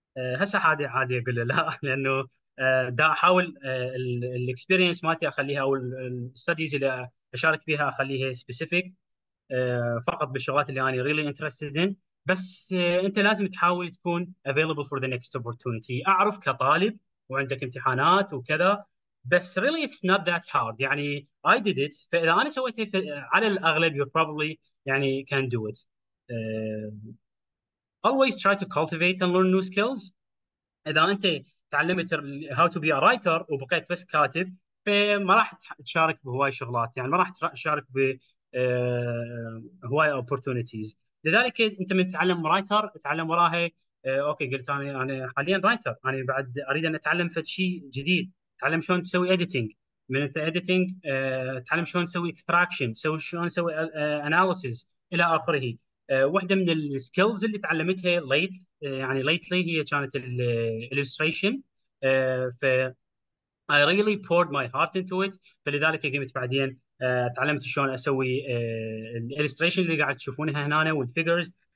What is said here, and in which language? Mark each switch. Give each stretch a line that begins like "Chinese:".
Arabic: هسه عادي عادي اقول له لا، لانه دا احاول الاكسبيرينس مالتي اخليها او الستديز اللي اشارك فيها اخليها سبيسيفيك فقط بالشغلات اللي انا
English: Really interested in.
Arabic: بس انت لازم تحاول تكون
English: Available for the next opportunity.
Arabic: اعرف كطالب وعندك امتحانات وكذا،
English: بس really it's not that hard, يعني I did it.
Arabic: فاذا انا سويتها على الاغلب
English: You probably يعني can do it. Always try to cultivate and learn new skills.
Arabic: اذا انت تعلمت
English: how to be a writer
Arabic: وبقيت بس كاتب، فما راح تشارك بهواي شغلات، يعني ما راح تشارك بهواي opportunities. لذلك انت من تتعلم رايتر تعلم وراها اوكي قلت انا حاليا رايتر، انا بعد اريد ان اتعلم فد شيء جديد، تعلم شلون تسوي editing. من انت editing تعلم شلون تسوي extraction، تسوي شلون تسوي analysis الى اخره. واحدة من السكيلز اللي تعلمتها ليت يعني ليتلي هي كانت الالستريشن.
English: ف I really poured my heart into it.
Arabic: فلذلك قمت بعدين تعلمت شلون اسوي الالستريشن اللي قاعد تشوفونها هنا والفيجرز.